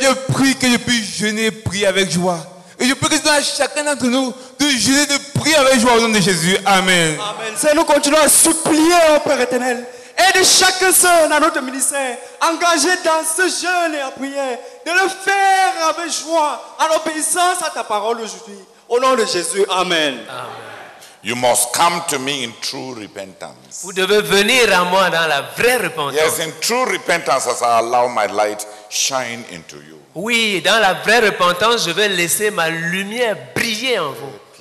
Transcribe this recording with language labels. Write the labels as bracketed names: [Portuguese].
[French] Père, je prie que je puisse jeûner et prier avec joie. Et je prie que ce soit à chacun d'entre nous de jeûner, de prier avec joie au nom de Jésus. Amen. Amen. Seigneur, nous continuons à supplier au Père éternel. Aide chacun seul dans notre ministère, engagé dans ce jeûne et en prière, de le faire avec joie, en obéissance à ta parole aujourd'hui. Au nom de Jésus. Amen. Amen. [English] You must come to me in true repentance. [French] Vous devez venir à moi dans la vraie repentance. [English] Yes, in true repentance as I allow my light shine into you. [French] Oui, dans la vraie repentance, je vais laisser ma lumière briller en vous.